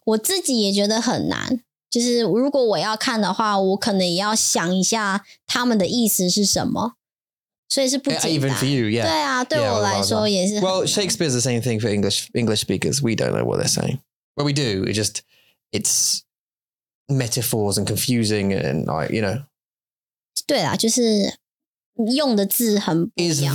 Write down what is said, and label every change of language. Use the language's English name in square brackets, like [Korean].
[Chinese] 我自己也觉得很难就是如果我要看的话我可能也要想一下他们的意思是什么所以是不简单 [English] Even for you, yeah. [Chinese] 对啊对 [English] yeah, [Chinese] 我来说也是 [English] Well, Shakespeare's the same thing for English speakers. We don't know what they're saying. Well, we do. It just, it's metaphors and confusing and, you know. [Chinese] 对啦就是用的字很不一样